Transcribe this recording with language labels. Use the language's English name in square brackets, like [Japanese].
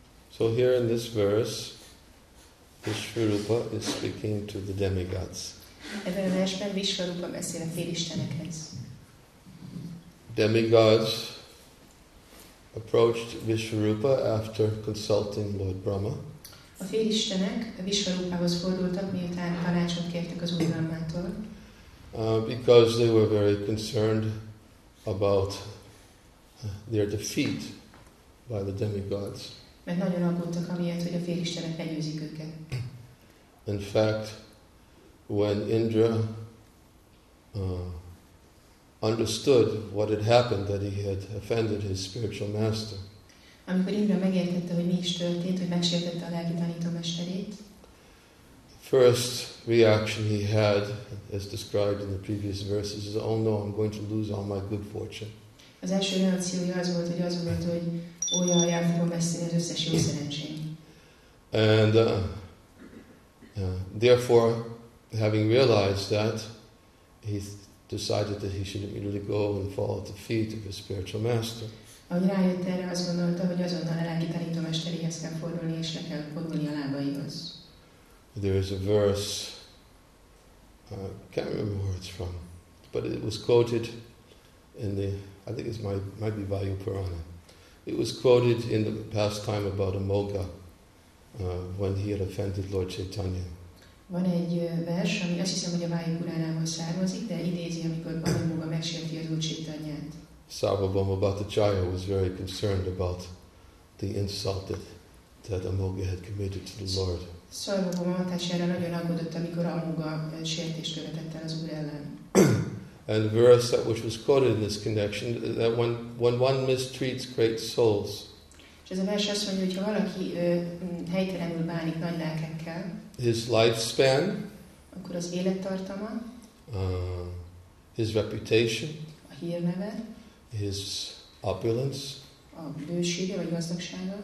[English] So here in this verse, Vishvarupa is speaking to the demigods. [Hungarian] Ebben a versben Vishvarupa beszél a félistenekhez. [English] Demigods approached Vishvarupa after consulting Lord Brahma. [Hungarian] A félistenek a Vishvarupához fordultak, miután tanácsot kértek az Úr Brahmától. [English] Because they were very concerned about their defeat by the demigods. [Hungarian] Mert nagyon aggódtak amiatt, hogy a félistenek legyőzik őket. [English] In fact, when Indra understood what had happened, that he had offended his spiritual master. [Hungarian] Amikor Indra megértette, hogy mi is történt, hogy megsértette a lelki tanítómesterét. [English] The first reaction he had, as described in the previous verses, is, "Oh no, I'm going to lose all my good fortune." [Hungarian] Az első reakciója az volt, hogy hogy ó, jaj, fogom veszteni az összes jó szerencsém. [English] And therefore, having realized that, he decided that he should immediately go and fall at the feet of his spiritual master. [Hungarian] Ahogy rájött erre, azt gondolta, hogy azonnal a lelki tanítómesteréhez kell fordulni, és le kell fordulni a lábaihoz. [English] There is a verse, I can't remember where it's from, but it was quoted in the, I think it might be Vayu Purana. It was quoted in the past time about Amogha, when he had offended Lord Chaitanya. [Hungarian] Van egy vers, ami azt hiszem, hogy a Vájú Kuránából származik, de idézi, amikor Balamoga megsérti az Úr Csaitanyát. [English] Sarvabhauma Bhattacharya was very concerned about the insult that Amogha had committed to the Lord. [Hungarian] Sarvabhauma Bhattacharya nagyon aggódott, amikor Amogha sértést követett el az Úr ellen. [English] And the verse that which was quoted in this connection, that when one mistreats great souls. [Hungarian] És ez a vers azt mondja, hogy ha valaki helytelenül bánik nagy lelkekkel, [English] his lifespan, [Hungarian] akkor az élettartama, [English] his reputation, [Hungarian] a hírneve, [English] his opulence, [Hungarian] a bősége vagy gazdagsága,